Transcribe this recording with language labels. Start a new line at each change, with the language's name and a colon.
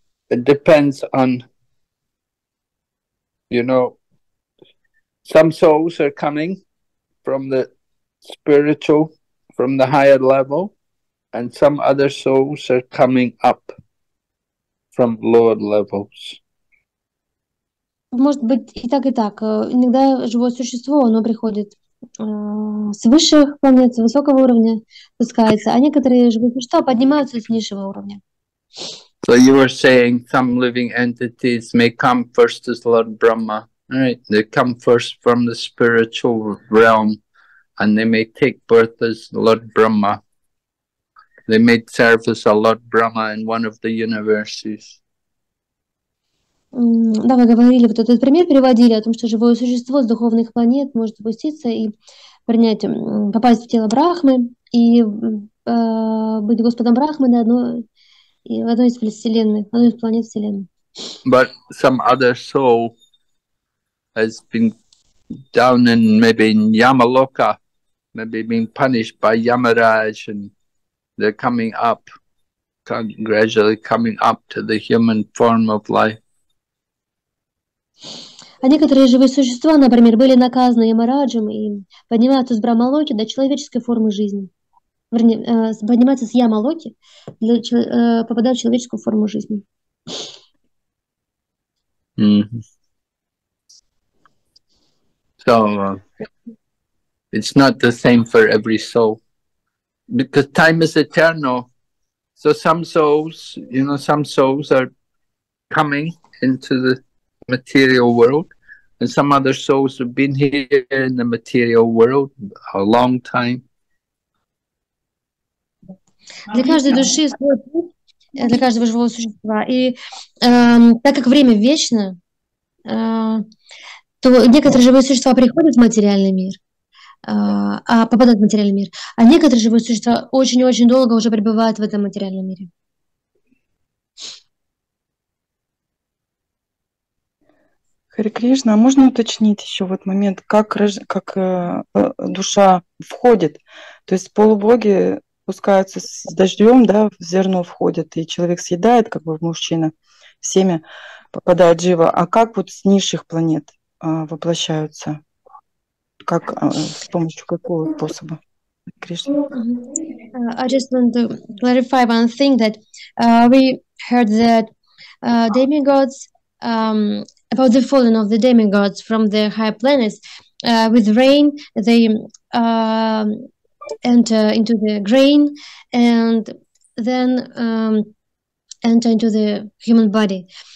English: It depends on, you know, some souls are coming from the spiritual, from the higher level. And some other souls are coming up from lower levels.
Russian: Может быть и так иногда живое существо оно приходит с высших планет, с высокого уровня спускается, а некоторые живые существа поднимаются с низшего уровня.
English: So you were saying some living entities may come first as Lord Brahma, right? They come first from the spiritual realm, and they may take birth as Lord Brahma. They may serve as a Lord Brahma in one of the universes.
Russian: Да, вы говорили, вот этот пример переводили о том, что живое существо с духовных планет может спуститься и принять, попасть в тело Брахмы и быть Господом Брахмы на одной из вселенных, одной из планет вселенной.
English: But some other soul has been down in maybe in Yamaloka, maybe being punished by Yamaraj and they're coming up, gradually coming up to the human form of life.
Russian: А некоторые живые существа, например, были наказаны Ямараджем и поднимаются с Брахмалоки до человеческой формы жизни. Вернее, поднимаются с Ямалоки, попадают в человеческую форму жизни. Mm-hmm.
English: So, it's not the same for every soul. Because time is eternal, so some souls, you know, some souls are coming into the material world, and some other souls have been here in the material world a long time.
Russian: Для каждой души свой путь, для каждого живого существа. И так как время вечно, то некоторые живые существа приходят в материальный мир, попадают в материальный мир, а некоторые живые существа очень-очень долго уже пребывают в этом материальном мире. Харе Кришна, а можно уточнить еще вот момент, как душа входит? То есть полубоги спускаются с дождем, да, в зерно входят, и человек съедает, как бы мужчина, в семя попадает живо. А как вот с низших планет воплощаются? Как, с помощью какого способа? Кришна.
English: I just want to clarify one thing that we heard that demigods about the falling of the demigods from the higher planets with rain they enter into the grain and then enter into the human body